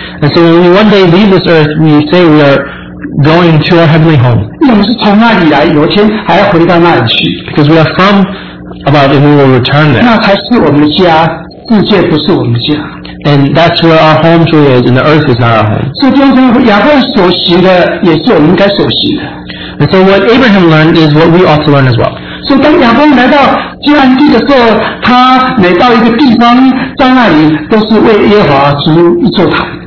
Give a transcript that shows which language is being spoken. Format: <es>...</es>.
<en>And so when we one day leave this earth, we say we are going to our heavenly home.</en> <zh>因为我们是从那里来，有一天还要回到那里去。</zh> <en>Because we are from above and we will return there.</en> <zh>那才是我们的家，世界不是我们的家。</zh> <en>And that's where our home truly is, and the earth is not our home.</en> <zh>所以，亚伯所学的也是我们应该所学的。</zh> <en>And so what Abraham learned is what we ought to learn as well.</en> <zh>所以当亚伯来到迦南地的时候，他每到一个地方，在那里都是为耶和华筑一座坛。</zh>